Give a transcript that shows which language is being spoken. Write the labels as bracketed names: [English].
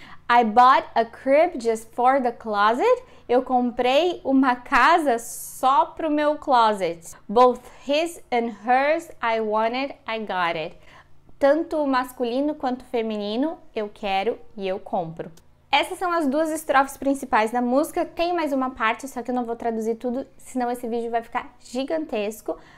[English] I bought a crib just for the closet. [Portuguese] Eu comprei uma casa só pro meu closet. [English] Both his and hers, I wanted, I got it. [Portuguese] Tanto masculino quanto feminino, eu quero e eu compro. Essas são as duas estrofes principais da música. Tem mais uma parte, só que eu não vou traduzir tudo, senão esse vídeo vai ficar gigantesco.